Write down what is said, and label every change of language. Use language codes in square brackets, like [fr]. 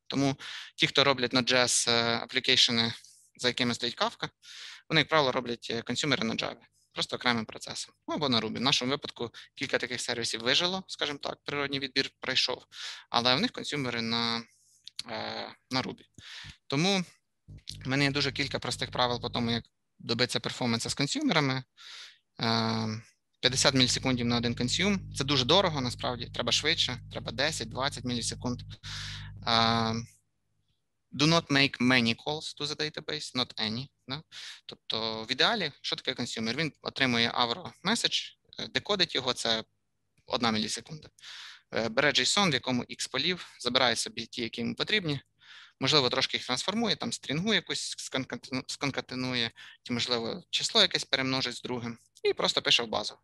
[uk] Тому ті, хто роблять Node.js аплікейшени, за якими стоїть Kafka, вони, як правило, роблять консюмери на Java, просто окремим процесом, ну, або на Ruby. В нашому випадку кілька таких сервісів вижило, скажімо так, природній відбір пройшов, але в них консюмери на Ruby. Тому в мене є дуже кілька простих правил по тому, як добитися перформанса з консюмерами. 50 мілісекундів на один консюм – це дуже дорого, насправді, треба швидше, треба 10-20 мілісекунд. [en] Do not make many calls to the database, not any. [uk] Да? Тобто в ідеалі, що таке консюмер? Він отримує Avro message, декодить його, це одна мілісекунда. Бере JSON, в якому X полів, забирає собі ті, які йому потрібні, можливо, трошки їх трансформує, там стрінгу якусь сконкатенує, чи, можливо, число якесь перемножить з другим, і просто пише в базу.